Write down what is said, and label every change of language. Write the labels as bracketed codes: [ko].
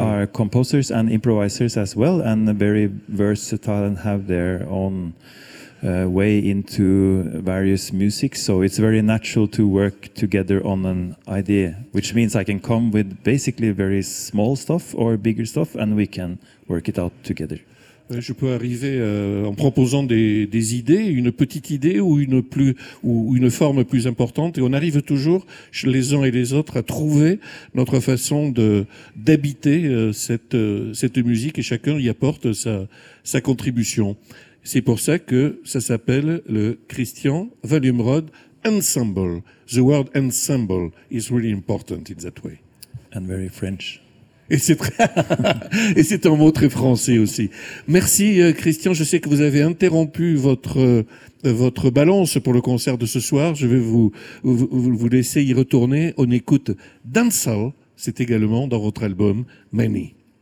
[en] Are composers and improvisers as well, and very versatile and have their own way into various music. So it's very natural to work together on an idea, which means I can come with basically very small stuff or bigger stuff, and we can work it out together. [fr] Je peux arriver en proposant des idées, une petite idée ou une forme plus importante, et on arrive toujours les uns et les autres à trouver notre façon d'habiter cette musique, et chacun y apporte sa contribution. C'est pour ça que ça s'appelle le Christian Vallemrod Ensemble. [en] The word ensemble is really important in that way. And very French. [fr] Et c'est un mot très français aussi. Merci Christian, je sais que vous avez interrompu votre balance pour le concert de ce soir. Je vais vous laisser y retourner. On écoute Dansal, c'est également dans votre album Many.